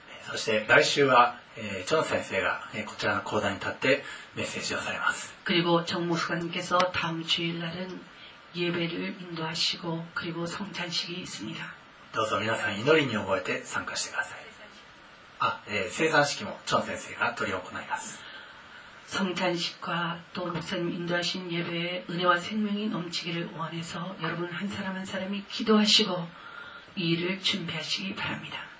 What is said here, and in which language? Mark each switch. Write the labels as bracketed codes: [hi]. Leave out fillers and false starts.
[ja] そして来週はチョン先生がこちらの講談に立ってメッセージをされます [ko] 그리고정목사님께서다음주일날은예배를인도하시고그리고성찬식이있습니다 [ja] どうぞ皆さん祈りに覚えて参加してください生産式もチョン先生が執り行います [ko] 성찬식과또목사님인도하신예배에은혜와생명이넘치기를원해서여러분한사람한사람이기도하시고이일을준비하시기바랍니다